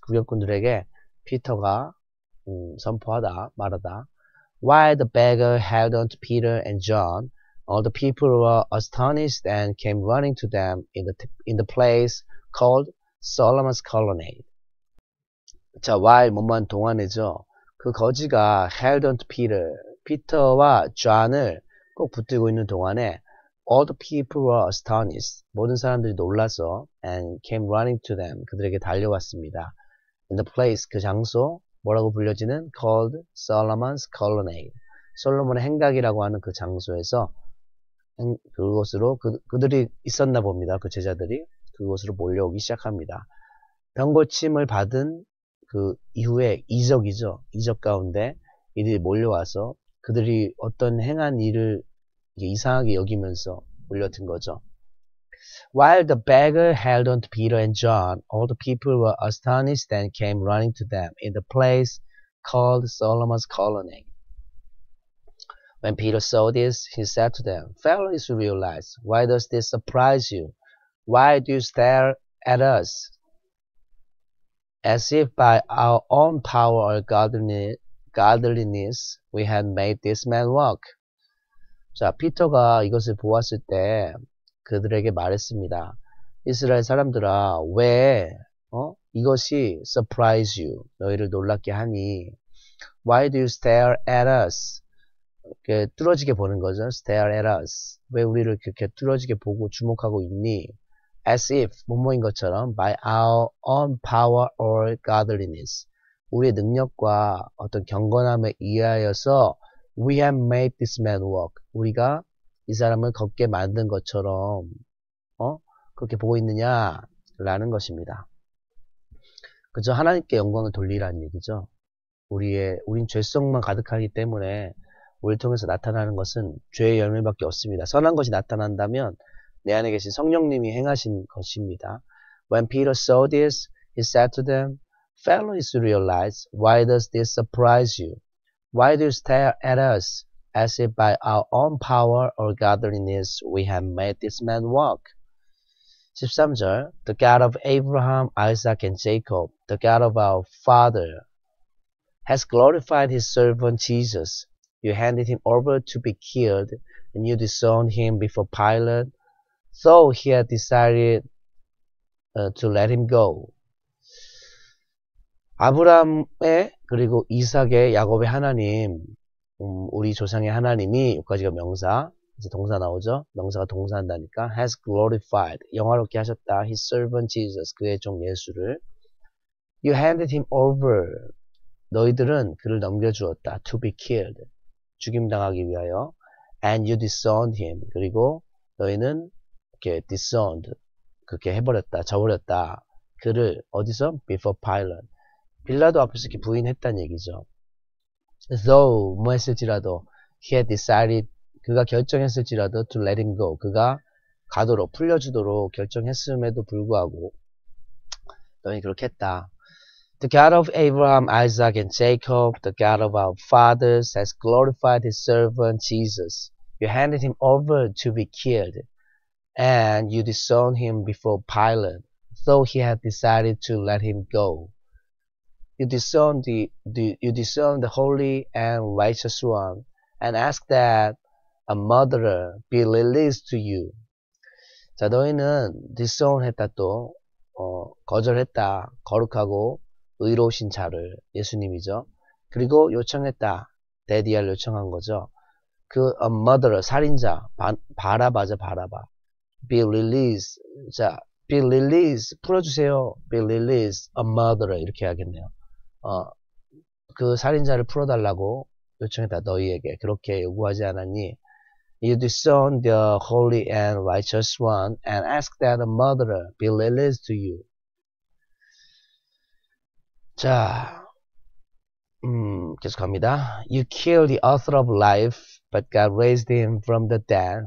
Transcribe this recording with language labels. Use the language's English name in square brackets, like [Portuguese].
[Korean] 구경꾼들에게 피터가 선포하다, 말하다. [English] While the beggar held on to Peter and John, all the people were astonished and came running to them in the place called Solomon's Colonnade. [Korean] 자, [English] while [Korean] 뭐만 동안이죠. 그 거지가 [English] held on to Peter, [Korean] 피터와 John을 꼭 붙들고 있는 동안에 [English] all the people were astonished. [Korean] 모든 사람들이 놀라서 [English] and came running to them. [Korean] 그들에게 달려왔습니다. [English] In the place, [Korean] 그 장소, 뭐라고 불려지는? [English] Called Solomon's Colonnade. [Korean] 솔로몬의 행각이라고 하는 그 장소에서 그곳으로 그들이 있었나 봅니다. 그 제자들이 그곳으로 몰려오기 시작합니다. 병고침을 받은 그 이후에 이적이죠. 이적 가운데 이들이 몰려와서 그들이 어떤 행한 일을 이상하게 여기면서 몰려든 거죠. [English] While the beggar held on to Peter and John, all the people were astonished and came running to them in the place called Solomon's Colony. When Peter saw this, he said to them, Fellow Israelites, why does this surprise you? Why do you stare at us? As if by our own power or godliness we had made this man walk. [Korean] 자, 피터가 이것을 보았을 때 그들에게 말했습니다. 이스라엘 사람들아, 왜 이것이 [English] surprise you, [Korean] 너희를 놀랍게 하니? [English] Why do you stare at us? [Korean] 이렇게 뚫어지게 보는 거죠. [English] Stare at us. [Korean] 왜 우리를 그렇게 뚫어지게 보고 주목하고 있니? [English] As if, [Korean] 뭐뭐인 것처럼, [English] by our own power or godliness. [Korean] 우리의 능력과 어떤 경건함에 의하여서 [English] we have made this man walk. [Korean] 우리가 이 사람을 걷게 만든 것처럼 그렇게 보고 있느냐? 라는 것입니다. 그저 하나님께 영광을 돌리라는 얘기죠. 우린 죄성만 가득하기 때문에 우리를 통해서 나타나는 것은 죄의 열매밖에 없습니다. 선한 것이 나타난다면 내 안에 계신 성령님이 행하신 것입니다. [English] When Peter saw this, he said to them, "Fellow Israelites, why does this surprise you? Why do you stare at us as if by our own power or godliness we have made this man walk?" 13절, The God of Abraham, Isaac, and Jacob, the God of our father, has glorified his servant Jesus. You handed him over to be killed, and you disowned him before Pilate, though he had decided to let him go. [Korean] 아브라함의, 그리고 이삭의, 야곱의 하나님, 우리 조상의 하나님이, 여기까지가 명사, 이제 동사 나오죠? 명사가 동사한다니까, [English] has glorified, [Korean] 영화롭게 하셨다, [English] his servant Jesus, [Korean] 그의 종 예수를. [English] You handed him over, [Korean] 너희들은 그를 넘겨주었다, [English] to be killed, [Korean] 죽임당하기 위하여, [English] and you disowned him, [Korean] 그리고 너희는 이렇게 [English] disowned, [Korean] 그렇게 해버렸다, 저버렸다, 그를, 어디서? [English] before Pilate. [Korean] 빌라도 앞에서 이렇게 부인했단 얘기죠. [English] Though, [Korean] 뭐 했을지라도, [English] he had decided, [Korean] 그가 결정했을지라도 [English] to let him go. [Korean] 그가 가도록, 풀려주도록 결정했음에도 불구하고, 너희 그렇게 했다. [English] The God of Abraham, Isaac, and Jacob, the God of our fathers, has glorified his servant Jesus. You handed him over to be killed, and you disowned him before Pilate, though he had decided to let him go. You disown the holy and righteous one, and ask that a murderer be released to you. [Korean] 자, 너희는 disown했다 또, 거절했다, 거룩하고 의로우신 자를, 예수님이죠. 그리고 요청했다, 데디알 요청한 거죠. [English] 그 a murderer, [Korean] 살인자, 바라바. [English] Be released, 자, be released, [Korean] 풀어주세요. [English] Be released, a murderer, [Korean] 이렇게 해야겠네요. 그 살인자를 풀어달라고 요청했다, 너희에게. 그렇게 요구하지 않았니? [English] You disown the holy and righteous one and ask that a murderer be released to you. [Korean] 자, 계속 갑니다. [English] You killed the author of life, but God raised him from the dead.